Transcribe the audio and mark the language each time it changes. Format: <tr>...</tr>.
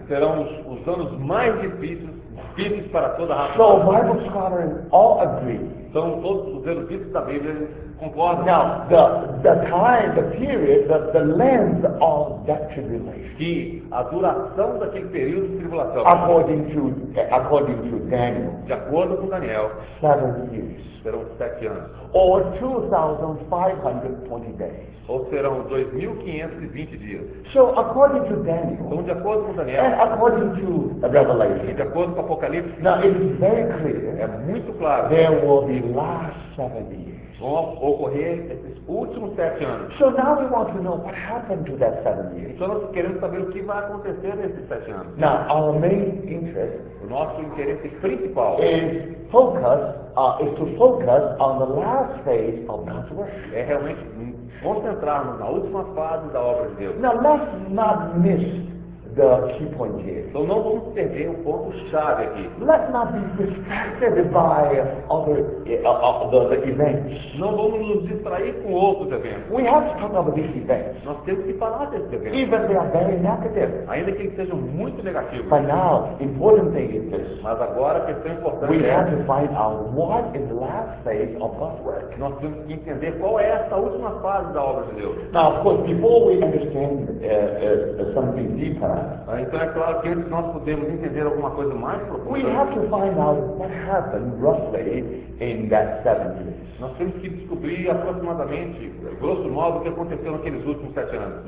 <pt>Serão os anos mais difíceis para toda a raça.</pt> <en>So Bible scholars all agree.</en> <pt>Então todos os eruditos da Bíblia concordam.</pt> <en>Now the time, the period, the length of that tribulation.</en> <pt>Que a duração daquele período de tribulação.</pt> <en>According to Daniel.</en> <pt>De acordo com Daniel.</pt> <en>7 years.</en> <pt>Serão 7 anos.</pt> <en>Or 2,520 days.</en> <pt>Ou serão 2,520 dias.</pt> <en>So according to Daniel.</en> <pt>Então, de acordo com Daniel.</pt> <en>And according to Revelation.</en> <pt>E de acordo com Apocalipse.</pt> <en>Now it is very clear.</en> <pt>É muito claro.</pt> <en>There will be last 7 years.</en> <pt>Vão ocorrer esses últimos 7 anos.</pt> <en>So now we want to know what happened to that 7 years.</en> <pt>Então nós queremos saber o que vai acontecer nesses 7 anos.</pt> <en>Now our main interest.</en> <pt>O nosso interesse principal.</pt> <en>Is to focus on the last phase of God's work.</en> <pt>É realmente concentrar-nos na última fase da obra de Deus.</pt> <en>Now let's not miss the key point here.</en> <pt>Então não vamos perder o ponto chave aqui.</pt> <en>Let's not be distracted by other events.</en> <pt>Não vamos nos distrair com outros eventos.</pt> <en>We have to talk about these events.</en> <pt>Nós temos que falar desses eventos.</pt> <en>Even they are very negative.</en> <pt>Ainda que eles sejam muito negativos.</pt> <en>But now, important thing is this.</en> <pt>Mas agora a questão importante</pt> <en>we</en> <pt>é.</pt> <en>We have to find out what is the last phase of God's work.</en> <pt>Nós temos que entender qual é essa última fase da obra de Deus.</pt> <en>Now, of course, before we understand something deeper.</en> <pt>Então é claro que antes nós podemos entender alguma coisa mais profunda.</pt> <en>We have to find out what happened roughly in that 7 years.</en> <pt>Nós temos que descobrir aproximadamente, grosso modo, o que aconteceu naqueles últimos 7 anos.</pt>